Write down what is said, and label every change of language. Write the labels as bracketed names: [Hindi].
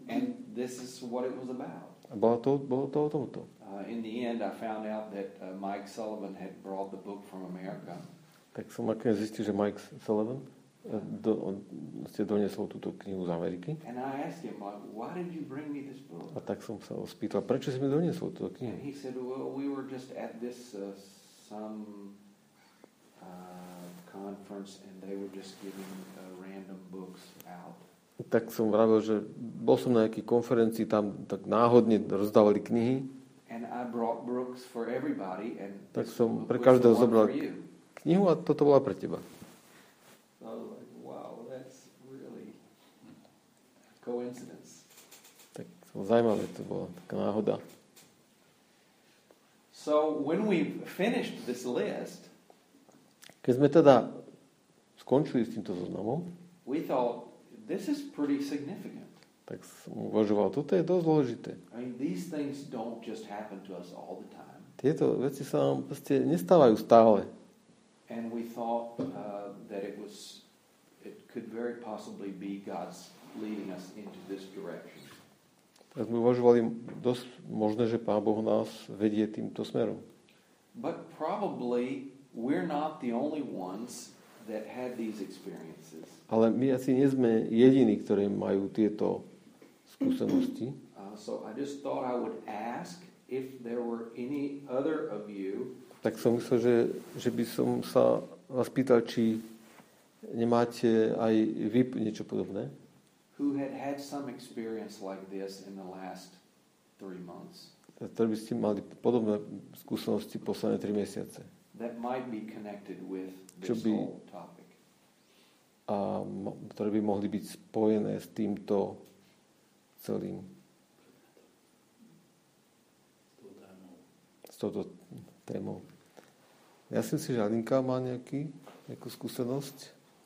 [English] And this is what it was about. [Slovak] A bolo to o tomto. [English] In the end I found out that Mike Sullivan had brought the book from America. [Slovak] Tak som nakoniec zistil, že Mike Sullivan ste doniesol túto knihu z Ameriky. [English] And I asked him, why did you bring me this book? [Slovak] A tak som sa ho spýtal, prečo si mi doniesol túto knihu? [English] And he said, well, we were just at this some conference and they were just giving random books out. [Slovak] Tak som vravil, že bol som na nejakej konferencii, tam tak náhodne rozdávali knihy. [English] And I brought books for everybody and [Slovak] tak som pre každého zobral knihu a toto bola pre teba. [English] So I was like, wow, that's really coincidence. [Slovak] Tak zaujímavé to bolo, taká náhoda. [English] So when we finished this list, [Slovak] keď sme teda skončili s týmto zoznamom, [English] we thought, this is pretty significant. [Slovak] Tak som uvažoval, toto je dosť zložité. [English] I mean, these things don't just happen to us all the time. [Slovak] Tieto veci sa nám proste nestávajú stále. [English] And we thought that it was, it could very possibly be God's leading us into this direction. [Slovak] Tak sme uvažovali, dosť možné, že Pán Boh nás vedie týmto smerom. [English] But probably we're not the only ones that had these experiences. [Slovak] Ale my asi nie sme jediní, ktorí majú tieto skúsenosti. [English] So I just thought I would ask if there were any other of you. [Slovak] Tak som myslel, že by som sa vás pýtal, či nemáte aj vy niečo podobné. [English] Who had some experience like this in the last 3 months? [Slovak] Ktorí by ste mali podobné skúsenosti posledné 3 mesiace. [English] That might be connected with this whole topic. [Slovak] Ktoré by mohli byť spojené s týmto celým. S touto témou. Ja si myslím, že Alinka má nejakú skúsenosť.